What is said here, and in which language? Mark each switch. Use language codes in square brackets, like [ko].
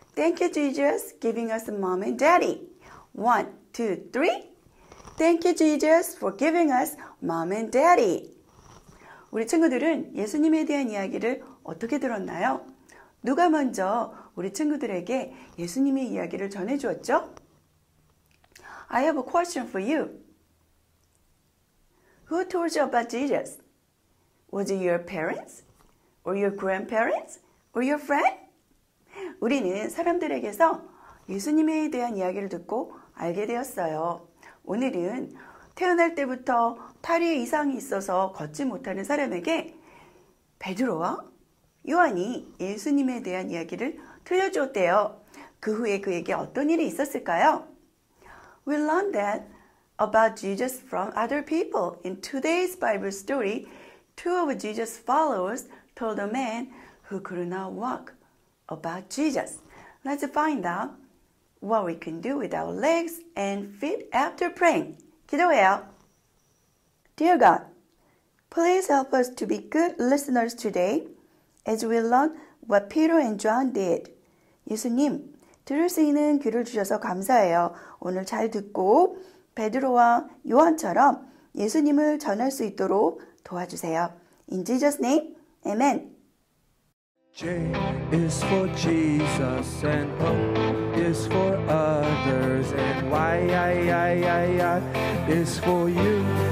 [en] Thank you, Jesus, giving us a mom and daddy. One, two, three. Thank you, Jesus, for giving us mom and daddy. [ko] 우리 친구들은 예수님에 대한 이야기를 어떻게 들었나요? 누가 먼저 우리 친구들에게 예수님의 이야기를 전해주었죠? [en] I have a question for you. Who told you about Jesus? Was it your parents? Or your grandparents? Or your friend? [ko] 우리는 사람들에게서 예수님에 대한 이야기를 듣고 알게 되었어요. 오늘은 태어날 때부터 팔에 이상이 있어서 걷지 못하는 사람에게 베드로와 요한이 예수님에 대한 이야기를 들려주었대요. 그 후에 그에게 어떤 일이 있었을까요? [en] We learned that about Jesus from other people. In today's Bible story, two of Jesus' followers told a man who could not walk about Jesus. Let's find out what we can do with our legs and feet after praying. [ko] 기도해요. [en] Dear God, please help us to be good listeners today as we learn what Peter and John did. [ko] 예수님, 들을 수 있는 귀를 주셔서 감사해요. 오늘 잘 듣고 베드로와 요한처럼 예수님을 전할 수 있도록 도와주세요. [en] In Jesus' name, Amen. J is for Jesus, and O is for others, and Y is for you.